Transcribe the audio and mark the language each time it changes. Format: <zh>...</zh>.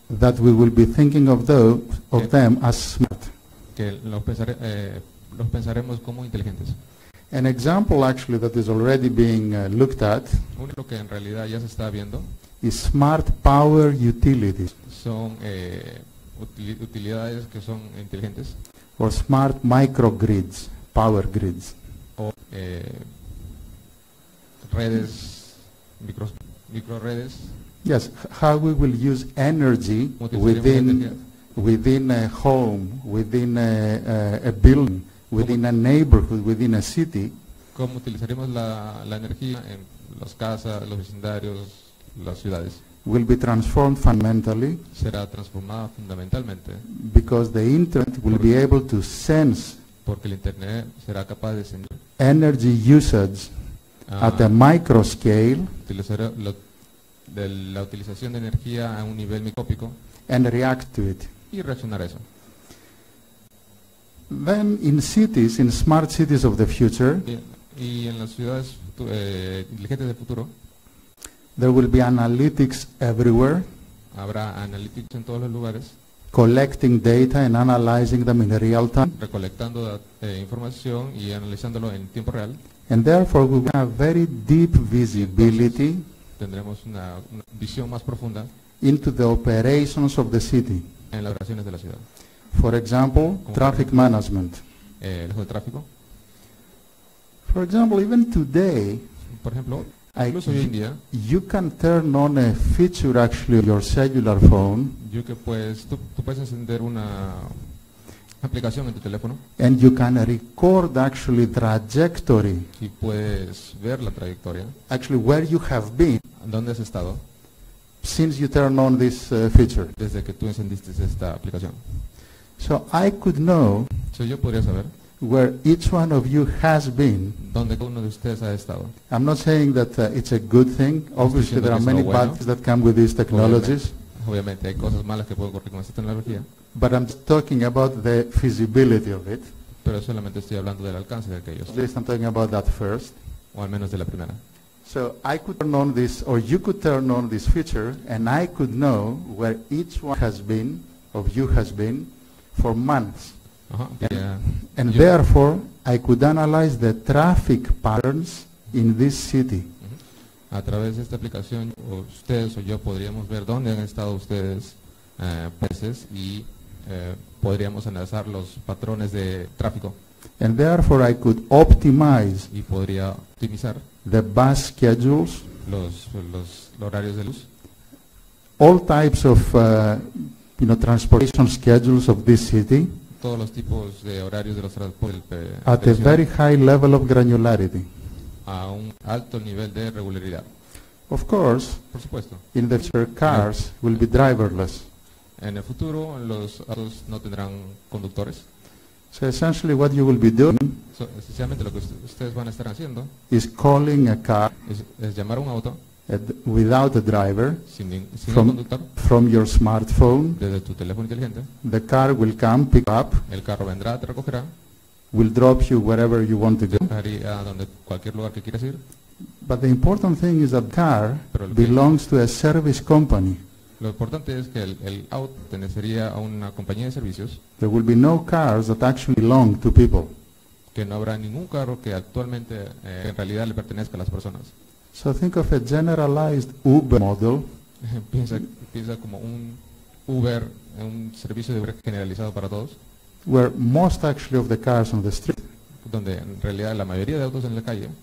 <en>that we will be thinking of those, of them as smart.</en> <es>Que los pensaremos como inteligentes.</es> <en>An example actually that is already being looked at,</en> <es>uno que en realidad ya se está viendo,</es> <en>is smart power utilities.</en> <es>Son utilidades que son inteligentes.</es> <en>Or smart microgrids, power grids.</en> <es>O redes, microredes.</es> <en>Yes, how we will use energy within within a home, within a building, within a neighborhood, within a city.</en> <es>¿Cómo utilizaremos la energía en las casas, los vecindarios, las ciudades?</es> <en>Will be transformed fundamentally.</en> <es>Será transformada fundamentalmente.</es> <en>Because the internet will be able to sense.</en> <es>Porque el internet será capaz de sentir.</es> <en>Energy usage at a micro scale.</en> <es>La utilización de energía a un nivel microscópico.</es> <en>And react to it.</en> <es>Y reaccionar a eso.</es> <en>Then in cities, in smart cities of the future.</en> <es>Y en las ciudades inteligentes del futuro.</es> <en>There will be analytics everywhere.</en> <es>Habrá analytics en todos los lugares.</es> <en>Collecting data and analyzing them in real time.</en> <es>Recolectando información y analizándolo en tiempo real.</es> <en>And therefore we will have very deep visibility.</en> <es>Entonces, tendremos una visión más profunda.</es> <en>Into the operations of the city.</en> <es>En las operaciones de la ciudad.</es> <en>For example, traffic management.</en> <es>lejos del tráfico.</es> <en>For example, even today,</en> <es>por ejemplo, incluso hoy en día,</es> <en>you can turn on a feature actually of your cellular phone.</en> <es>Yo que pues, tú puedes encender una aplicación en tu teléfono.</es> <en>And you can record actually trajectory.</en> <es>Y puedes ver la trayectoria.</es> <en>Actually, where you have been.</en> <es>¿Dónde has estado?</es> <en>Since you turn on this feature.</en> <es>Desde que tú encendiste esta aplicación.</es> <en>So I could know.</en> <es>So yo podría saber.</es> <en>Where each one of you has been.</en> <es>Donde cada uno de ustedes ha estado.</es> <en>I'm not saying that it's a good thing. Obviously, there are many bad things that come with these technologies.</en> <es>Obviamente hay cosas malas que pueden ocurrir con esta tecnología.</es> <en>But I'm talking about the feasibility of it.</en> <es>Pero solamente estoy hablando del alcance de aquellos.</es> <en>At least I'm talking about that first.</en> <es>O al menos de la primera.</es> <en>So I could turn on this, or you could turn on this feature, and I could know where each one has been, of you has been, for months. And therefore, I could analyze the traffic patterns in this city.</en> <es>A través de esta aplicación, ustedes o yo podríamos ver dónde han estado ustedes veces y podríamos analizar los patrones de tráfico.</es> <en>And therefore, I could optimize.</en> <es>Y podría optimizar.</es> <en>The bus schedules.</en> <es>Los horarios de luz.</es> <en>All types of transportation schedules of this city.</en> <es>Todos los tipos de horarios de los transportes.</es> <en>At a very high level of granularity.</en> <es>A un alto nivel de regularidad.</es> <en>Of course.</en> <es>Por supuesto.</es> <en>In the future, cars will be driverless.</en> <es>En el futuro, los autos no tendrán conductores.</es> <en>So essentially, what you will be doing.</en> <es>So, esencialmente, lo que ustedes van a estar haciendo.</es> <en>Is calling a car.</en> <es>Es llamar un auto.</es> <en>Without a driver,</en> <es>sin</es> <en>from your smartphone,</en> <es>desde tu teléfono inteligente,</es> <en>the car will come, pick up,</en> <es>el carro vendrá, te recogerá,</es> <en>will drop you wherever you want to go,</en> <es>a donde, cualquier lugar que quieras ir.</es> <en>But the important thing is that car belongs to a service company.</en> <es>Lo importante es que el auto pertenecería a una compañía de servicios.</es> <en>There will be no cars that actually belong to people.</en> <es>Que no habrá ningún carro que actualmente en realidad le pertenezca a las personas.</es> <en>So think of a generalized Uber model.</en> <es>Piensa como un Uber, un servicio de Uber generalizado para todos.</es> <en>Where most actually of the cars on the street.</en> <es>Donde en realidad la mayoría de autos en la calle.</es>